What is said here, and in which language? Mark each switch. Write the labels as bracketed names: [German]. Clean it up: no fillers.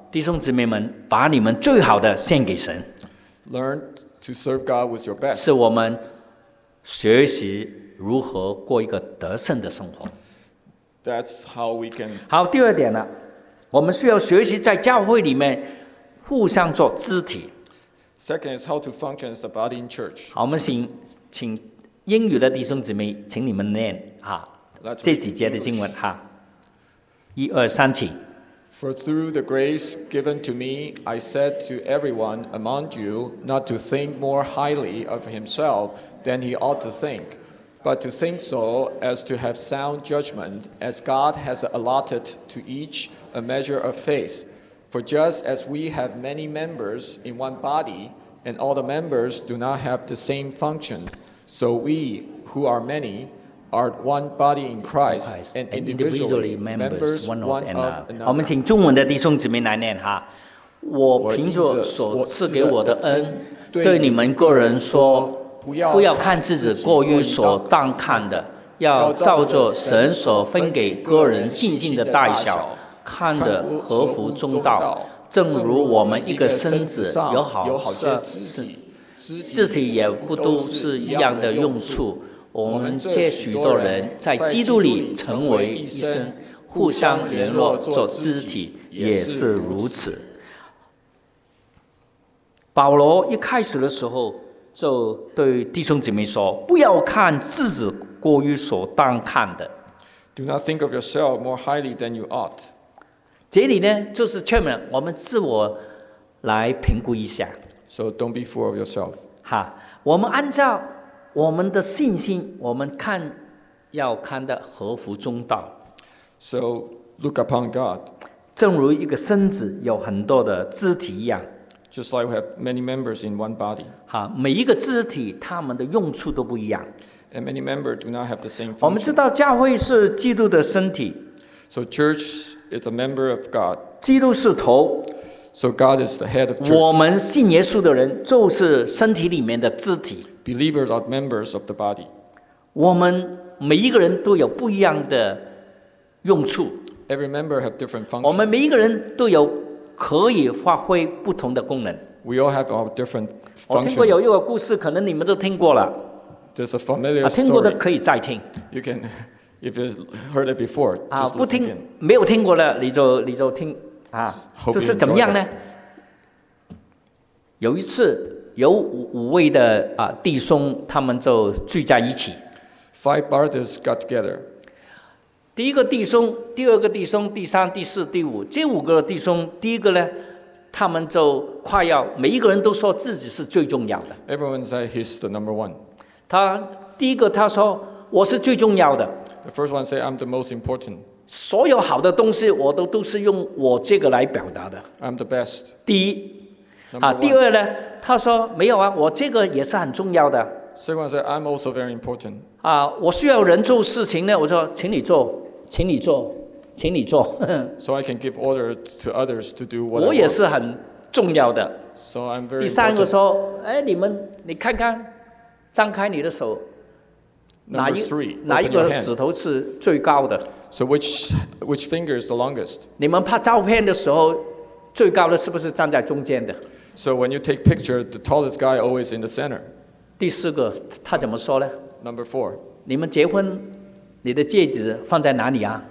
[Chinese] 弟兄姊妹们，把你们最好的献给神。 [English] Learn to serve God with your best. [Chinese] 是我们学习如何过一个得胜的生活。 [English] That's how we can. [Chinese] 好，第二点呢，我们需要学习在教会里面互相做肢体。 [English] Second is how to function as a body in church. [Chinese] 好，我们请英语的弟兄姊妹，请你们念这几节的经文一二三，请。 [English] For through the grace given to me, I said to everyone among you not to think more highly of himself than he ought to think. But to think so as to have sound judgment, as God has allotted to each a measure of faith. For just as we have many members in one body, and all the members do not have the same function, so we, who are many, are one body in Christ, and individually members one of another. [Chinese] 我们请中文的弟兄姊妹来念哈。我凭着所赐给我的恩，对你们个人说，不要看自己过于所当看的，要照着神所分给个人信心的大小，看得合乎中道。正如我们一个身子有好些肢体，也不都是一样的用处。我们这许多人在基督里成为一身，互相联络做肢体，也是如此。保罗一开始的时候就对弟兄姊妹说，不要看自己过于所当看的。 [English] Do not think of yourself more highly than you ought。 [Chinese] 这里呢就是劝勉我们自我来评估一下。 [English] So don't be full of yourself。 [Chinese] 我们按照我们的信心，我们看要看的合乎中道。 [English] So look upon God。 [Chinese] 正如一个身子有很多的肢体一样， [English] Just like we have many members in one body. [Chinese] 每一个肢体他们的用处都不一样。 [English] And many members do not have the same function. [Chinese] 我们知道教会是基督的身体。 [English] So church is a member of God. [Chinese] 基督是头。 [English] So God is the head of church. [Chinese] 我们信耶稣的人就是身体里面的肢体。 [English] Believers are members of the body. [Chinese] 我们每一个人都有不一样的用处。 [English] Every member have different functions. [Chinese] 我们每一个人都有可以发挥不同的功能。 [English] We all have our different functions. [Chinese] 我听过有一个故事，可能你们都听过了。 [English] There's a familiar story. [Chinese] 听过的可以再听。 [English] You can, if you heard it before, just listen again. [Chinese] 不听，没有听过了，你就听啊。这是怎么样呢？有一次，有五位的弟兄，他们就聚在一起。 [English] Five brothers got together. [Chinese] 第一个弟兄，第二个弟兄，第三、第四、第五，这五个弟兄，第一个呢，他们就快要每一个人都说自己是最重要的。 [English] Everyone said he's the number one. [Chinese] 他第一个他说我是最重要的。 [English] The first one said I'm the most important. [Chinese] 所有好的东西我都是用我这个来表达的。 [English] I'm the best. [Chinese] 第一。第二呢，他说没有啊，我这个也是很重要的。 [English] Second one said I'm also very important. [Chinese] 我需要人做事情呢，我说请你做，请你做，请你做。 [English] So I can give order to others to do what. [Chinese] 我也是很重要的。 [English] So I'm very. [Chinese] 第三个说，哎，你看看，张开你的手， [English] Number three, [Chinese] 哪一个指头是最高的 [English] ？So which finger is the longest? [Chinese] 你们拍照片的时候，最高的是不是站在中间的 [English] ？So when you take picture, the tallest guy always in the center. [Chinese] 第四个他怎么说呢？ [English] Number four. [Chinese] 你们结婚，你的戒指放在哪里啊